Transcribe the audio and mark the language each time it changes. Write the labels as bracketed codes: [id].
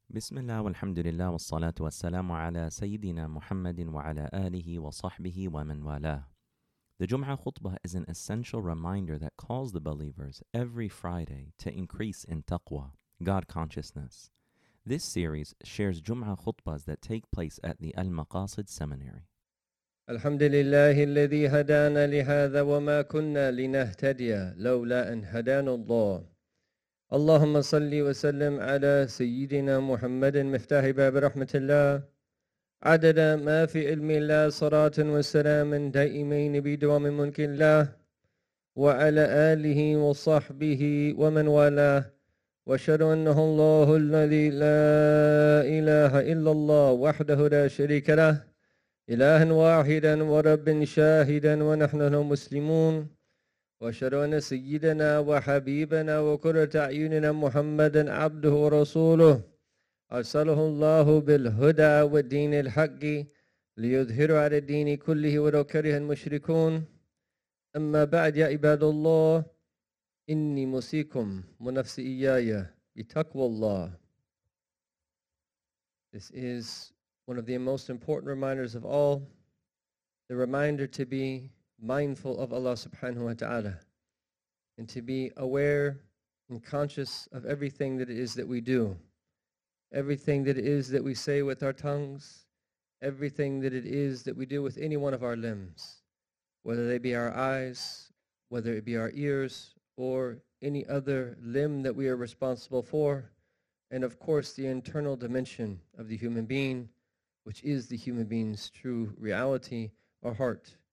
[ar] بسم الله والحمد لله والصلاة والسلام على سيدنا محمد وعلى آله وصحبه ومن والاه. [en] The Jum'ah khutbah is an essential reminder that calls the believers every Friday to increase in taqwa, God consciousness. This series shares Jum'ah khutbahs that take place at the Al-Maqasid Seminary. [ar] الحمد لله الذي هدانا لهذا وما كنا لنهتدي لولا أن هدانا الله. اللهم صل وسلم على سيدنا محمد مفتاح باب رحمة الله عدد ما في علم الله صلاة وسلام دائمين بدوام ملك الله وعلى آله وصحبه ومن والاه وأشهد أنه الله الذي لا إله إلا الله وحده لا شريك له إلها واحدا ورب شاهدا ونحن له مسلمون وأشهد أن سيدنا وحبيبنا وقرة أعيننا محمدا عبده ورسوله أرسله الله بالهدى والدين الحق ليظهر على الدين كله ولو كره المشركون أما بعد يا عباد الله إني موصيكم ونفسي إياي بتقوى الله. [en] This is one of the most important reminders of all, the reminder to be mindful of Allah subhanahu wa ta'ala and to be aware and conscious of everything that it is that we do, everything that it is that we say with our tongues, everything that it is that we do with any one of our limbs, whether they be our eyes, whether it be our ears, or any other limb that we are responsible for, and of course the internal dimension of the human being, which is the human being's true reality, our heart,